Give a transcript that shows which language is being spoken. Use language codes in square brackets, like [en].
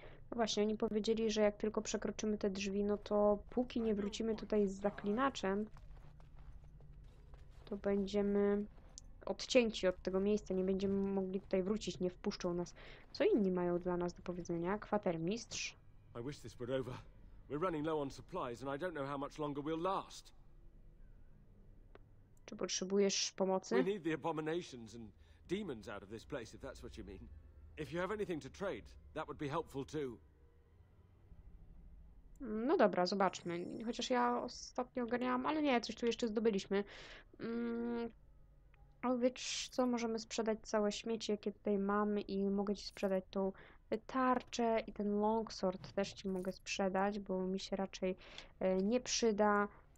[pl] No właśnie, oni powiedzieli, że jak tylko przekroczymy te drzwi, no to póki nie wrócimy tutaj z zaklinaczem, to będziemy odcięci od tego miejsca, nie będziemy mogli tutaj wrócić, nie wpuszczą nas. Co inni mają dla nas do powiedzenia? [en] Kwatermistrz. I wish this were over. We're running low on supplies and I don't know how much longer we'll last. [pl] Czy potrzebujesz pomocy? [en] We need the abominations and demons out of this place, if that's what you mean. If you have anything to trade, that would be helpful too. [pl] No dobra, zobaczmy. Chociaż ja ostatnio ogarniałam, ale nie, coś tu jeszcze zdobyliśmy. O, wiesz co, możemy sprzedać całe śmieci, jakie tutaj mamy i mogę ci sprzedać tą tarczę i ten longsword też ci mogę sprzedać, bo mi się raczej nie przyda.